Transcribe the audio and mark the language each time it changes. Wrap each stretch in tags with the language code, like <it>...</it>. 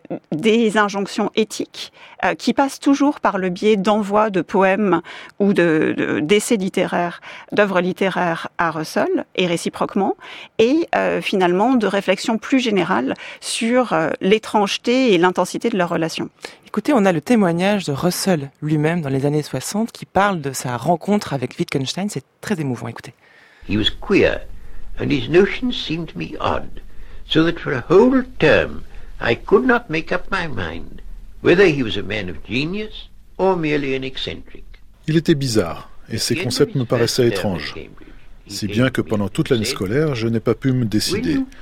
<fr>des injonctions éthiques qui passent toujours par le biais d'envois de poèmes ou d'essais littéraires, d'œuvres littéraires à Russell et réciproquement, et finalement de réflexions plus générales sur l'étrangeté et l'intensité de leur relation. Écoutez, on a le témoignage de Russell lui-même dans les années 60 qui parle de sa rencontre avec Wittgenstein. C'est très émouvant, écoutez.</fr> <en>He was queer and his notions seemed to me odd. So that for a whole term, I could not make up my mind whether he was a man of genius or merely an eccentric.</en> <fr>Il était bizarre, et ses concepts me paraissaient étranges. si bien que pendant toute l'année scolaire, je n'ai pas pu me décider.</fr>